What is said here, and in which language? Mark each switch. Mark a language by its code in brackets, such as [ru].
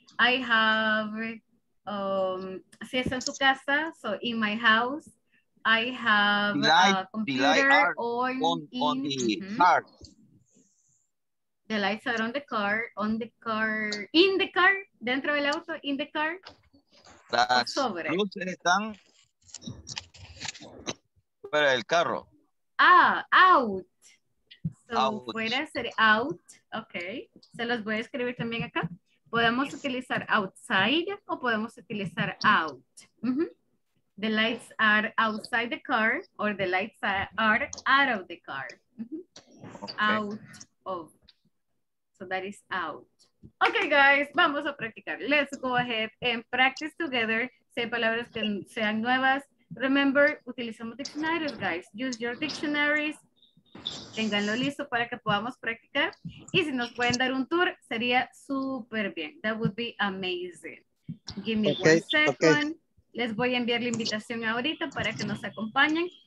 [en] I have, [es] si es en su casa, [en] so in my house. I have a computer on the car. The lights are on the car, in the car, [es] dentro del auto, [en] in the car. [es] Las luces están fuera del carro. [en] Ah, out. So, [es] fuera sería [en] out. Okay. [es] Se los voy a escribir también acá. Podemos utilizar outside o podemos utilizar out. Mm-hmm. [en] The lights are outside the car, or the lights are out of the car. Okay. Out of. So that is out. [es] Okay, guys, vamos a practicar. [en] Let's go ahead and practice together. [es] Say palabras que sean nuevas. Remember, utilizamos diccionarios, guys. [en] Use your dictionaries. [es] Ténganlo listo para que podamos practicar. Y si nos pueden dar un tour, sería súper bien. [en] That would be amazing. Give me one second. [es] Les voy a enviar la invitación ahorita para que nos acompañen.